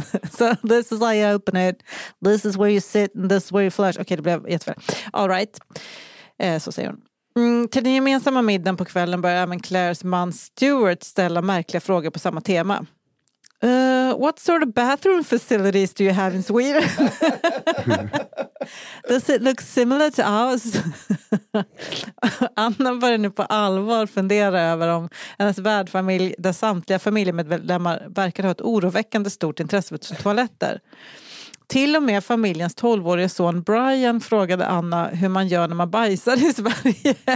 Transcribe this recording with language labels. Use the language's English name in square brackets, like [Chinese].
[English] So this is how you open it. This is where you sit and this is where you flush. [Swedish] Okej, det blev jättefärd. [English] All right. [Swedish] Så säger hon. Till den gemensamma middagen på kvällen börjar även Claires man Stuart ställa märkliga frågor på samma tema. [English] What sort of bathroom facilities do you have in Sweden? Does it look similar to ours? [Swedish] Anna börjar nu på allvar fundera över om hennes värdfamilj där samtliga familjemedlemmar verkar ha ett oroväckande stort intresse för toaletter. Till och med familjens 12-årige son Brian frågade Anna hur man gör när man bajsar i Sverige.